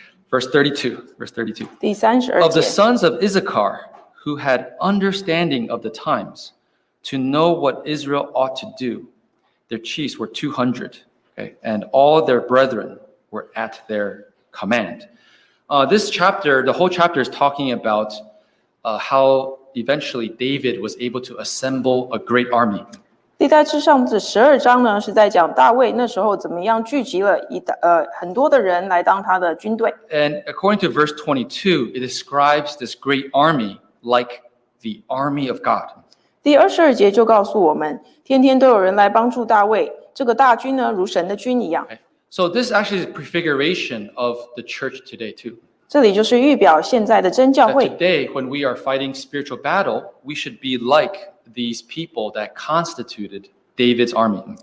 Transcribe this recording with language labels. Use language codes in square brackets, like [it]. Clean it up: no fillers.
[en] Verse 32. Of the sons of Issachar, who had understanding of the times, to know what Israel ought to do, their chiefs were 200, okay, and all their brethren were at their command. This chapter, the whole chapter is talking about how eventually David was able to assemble a great army. [zh] 历代志上这12章呢, 是在讲大卫那时候怎么样聚集了很多的人来当他的军队。 [en] And according to verse 22, it describes this great army like the army of God. [zh] 第22节就告诉我们, 天天都有人来帮助大卫,这个大军呢,如神的军一样。 [en] So this actually is a prefiguration of the church today too. [zh] 这里就是预表现在的真教会。 [en] That today, when we are fighting spiritual battle, we should be like these people that constituted David's army.